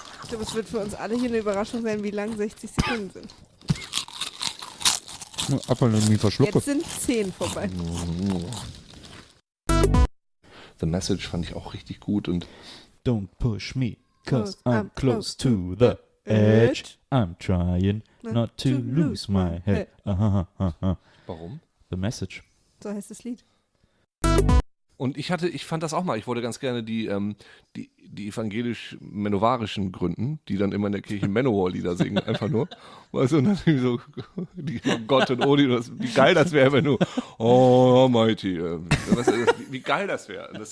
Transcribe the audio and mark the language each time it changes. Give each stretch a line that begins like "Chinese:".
German: Das wird für uns alle hier eine Überraschung sein, wie lang 60 Sekunden sind. Apfel irgendwie verschlucken. Jetzt sind 10 vorbei. The Message fand ich auch richtig gut und
English: Don't push me, cause I'm close to the edge. I'm trying not to lose my head.
German: Warum?
English: The Message.
German: So heißt das Lied. Und ich fand das auch mal, ich wollte ganz gerne die evangelisch-menowarischen gründen, die dann immer in der Kirche Manowar-Lieder singen, einfach nur. Weißt du, und dann so, die Gott und Odin, wie geil das wäre, wenn du, oh, Almighty, weißt du, wie geil das wäre.